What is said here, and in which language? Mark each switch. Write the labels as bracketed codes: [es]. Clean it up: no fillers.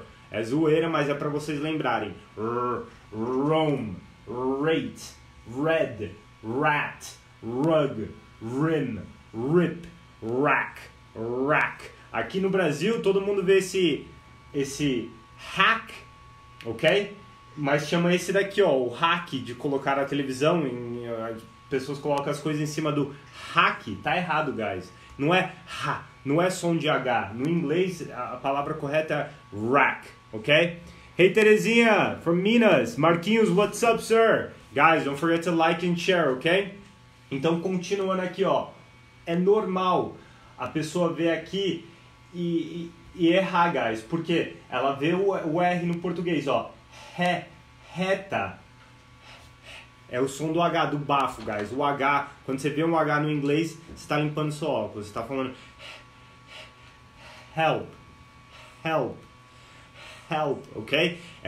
[pt] É zoeira, mas é pra vocês lembrarem. [en] Rome, rate, red, rat, rug, rim, rip, rack, rack. [pt] Aqui no Brasil, todo mundo vê esse hack, ok? Mas chama esse daqui, ó, o hack de colocar a televisão, as pessoas colocam as coisas em cima do hack, tá errado, guys. Não é ha, não é som de H. No inglês, a palavra correta é rack, ok? [en] Hey, Terezinha, from Minas. Marquinhos, what's up, sir? Guys, don't forget to like and share, ok? [pt] Então, continuando aqui, ó, é normal a pessoa ver aqui e errar, guys, porque ela vê o R no português, ó. Ré, reta, é o som do H, do bafo, guys. O H, quando você vê um H no inglês, você está limpando seu óculos, você está falando help, help, help, ok?